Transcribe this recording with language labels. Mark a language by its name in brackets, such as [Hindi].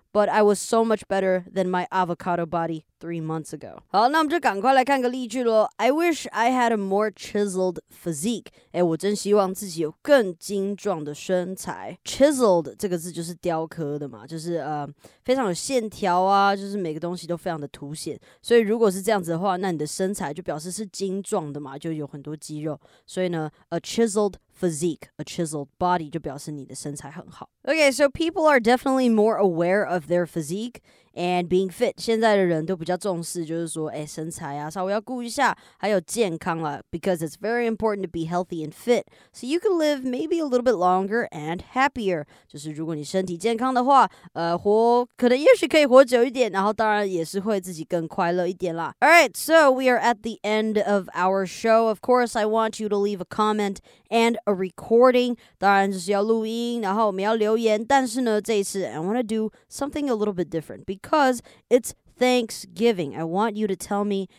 [English] But I was so much better than my avocado body 3 months ago. [Chinese] 好，那我们就赶快来看个例句咯。 [English] I wish I had a more chiseled physique. [Chinese] 哎，我真希望自己有更精壮的身材。 Chiseled 这个字就是雕刻的嘛，就是非常有线条啊，就是每个东西都非常的凸显。所以如果是这样子的话，那你的身材就表示是精壮的嘛，就有很多肌肉。所以呢 ， [English] a chiseled physique, a chiseled body [Chinese] 就表示你的身材很好。 [English] Okay, so people are definitely more aware of their physique and being fit. [Chinese] 现在的人都比较重视，就是说，哎，身材啊，稍微要顾一下，还有健康啦。 [English] Because it's very important to be healthy and fit, so you can live maybe a little bit longer and happier. [Chinese] 就是如果你身体健康的话，活可能也许可以活久一点，然后当然也是会自己更快乐一点啦。 [English] All right, so we are at the end of our show. Of course, I want you to leave a comment and a recording. [Chinese] 当然就是要录音，然后我们要留言，但是呢，这一次 [English] I want to do something a little bit different because it's Thanksgiving. I want you to tell me